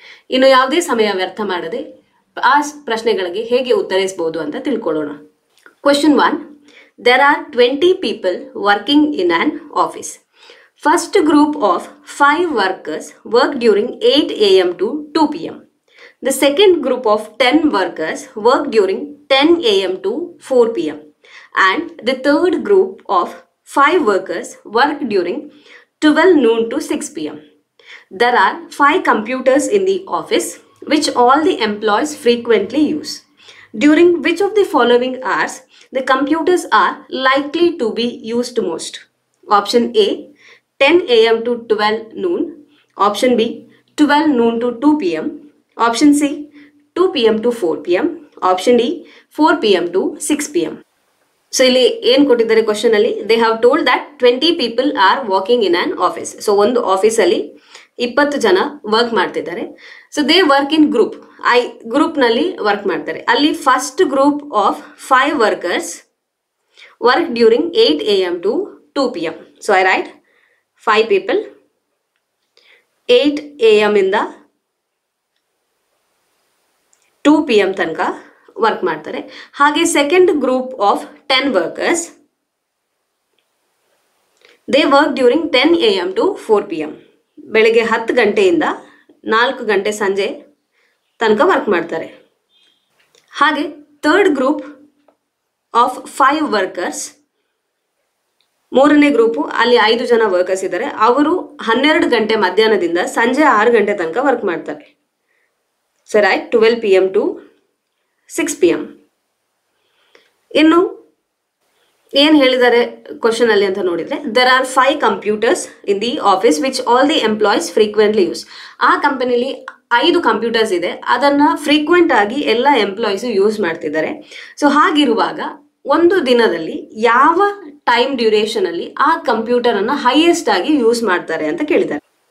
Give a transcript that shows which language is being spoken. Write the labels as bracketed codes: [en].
[kn] ಇನ್ನು ಯಾವುದೇ ಸಮಯ ವ್ಯರ್ಥ ಮಾಡದೆ ಆ ಪ್ರಶ್ನೆಗಳಿಗೆ ಹೇಗೆ ಉತ್ತರಿಸಬಹುದು ಅಂತ ತಿಳ್ಕೊಳ್ಳೋಣ. Question 1. [en] There are 20 people working in an office. First group of 5 workers work during 8 AM to 2 PM. The second group of 10 workers work during 10 a.m. to 4 p.m. and the third group of 5 workers work during 12 noon to 6 p.m. There are 5 computers in the office which all the employees frequently use. During which of the following hours the computers are likely to be used most? Option A, 10 a.m. to 12 noon. Option B, 12 noon to 2 p.m. Option C, 2 PM to 4 PM. Option D, 4 PM to 6 PM. [kn] So ಇಲ್ಲಿ ಏನು ಕೊಟ್ಟಿದ್ದಾರೆ question ಅಲ್ಲಿ, [en] They have told that 20 people are walking in an office. [kn] So ಒಂದು ಆಫೀಸಲ್ಲಿ 20 ಜನ work ಮಾಡ್ತಿದ್ದಾರೆ. So [en] they work in group, [kn] I ಗ್ರೂಪ್ನಲ್ಲಿ work ಮಾಡ್ತಾರೆ. [en] ಅಲ್ಲಿ first group of 5 workers work during 8 AM to 2 PM. [kn] So [en] I write 5 people [kn] 8 AM ಇಂದ 2 PM ತನಕ work ಮಾಡ್ತಾರೆ. [en] ಹಾಗೆ second group of 10 workers they work during 10 AM to 4 PM. [kn] ಬೆಳಿಗ್ಗೆ 10 ಗಂಟೆಯಿಂದ 4 ಗಂಟೆ ಸಂಜೆ ತನಕ ವರ್ಕ್ ಮಾಡ್ತಾರೆ. ಹಾಗೆ [en] third group of 5 workers, [kn] ಮೂರನೇ ಗ್ರೂಪು, ಅಲ್ಲಿ 5 ಜನ ವರ್ಕರ್ಸ್ ಇದ್ದಾರೆ. ಅವರು 12 ಗಂಟೆ ಮಧ್ಯಾಹ್ನದಿಂದ ಸಂಜೆ 6 ಗಂಟೆ ತನಕ ವರ್ಕ್ ಮಾಡ್ತಾರೆ. ಸರ್ ಆಯ್ತು, [en] 12 PM to 6 PM. [kn] ಇನ್ನು ಏನು ಹೇಳಿದ್ದಾರೆ ಕ್ವಶನಲ್ಲಿ ಅಂತ ನೋಡಿದರೆ, [en] There are 5 computers in the office which all the employees frequently use. [kn] ಆ ಕಂಪನಿಲಿ 5 ಕಂಪ್ಯೂಟರ್ಸ್ ಇದೆ, ಅದನ್ನು ಫ್ರೀಕ್ವೆಂಟ್ ಆಗಿ ಎಲ್ಲ ಎಂಪ್ಲಾಯೀಸು ಯೂಸ್ ಮಾಡ್ತಿದ್ದಾರೆ. ಸೊ ಹಾಗಿರುವಾಗ ಒಂದು ದಿನದಲ್ಲಿ ಯಾವ ಟೈಮ್ ಡ್ಯೂರೇಷನಲ್ಲಿ ಆ ಕಂಪ್ಯೂಟರನ್ನು ಹೈಯೆಸ್ಟ್ ಆಗಿ ಯೂಸ್ ಮಾಡ್ತಾರೆ ಅಂತ ಕೇಳಿದ್ದಾರೆ.